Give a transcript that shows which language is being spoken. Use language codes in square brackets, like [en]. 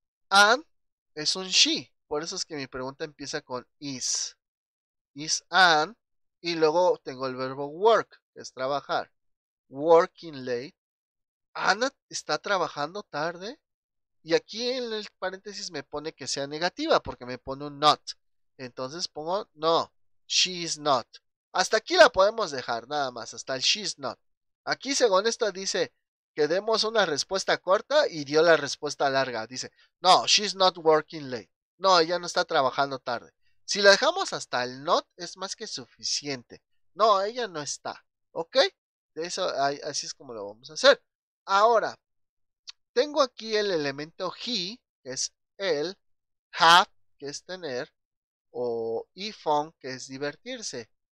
[es] An es un she, por eso es que mi pregunta empieza con is. Is an, y luego tengo el verbo work, que es trabajar. [en] Working late. [es] Ana está trabajando tarde. Y aquí en el paréntesis me pone que sea negativa porque me pone un not. Entonces pongo no, [en] she is not. [es] Hasta aquí la podemos dejar, nada más, hasta el [en] she is not. [es] Aquí, según esto, dice que demos una respuesta corta y dio la respuesta larga. Dice, [en] no, she is not working late. [es] No, ella no está trabajando tarde. Si la dejamos hasta el not, es más que suficiente. No, ella no está. ¿Ok? Eso, así es como lo vamos a hacer. Ahora, tengo aquí el elemento he, que es él, have, que es tener, o y fun, que es divertirse.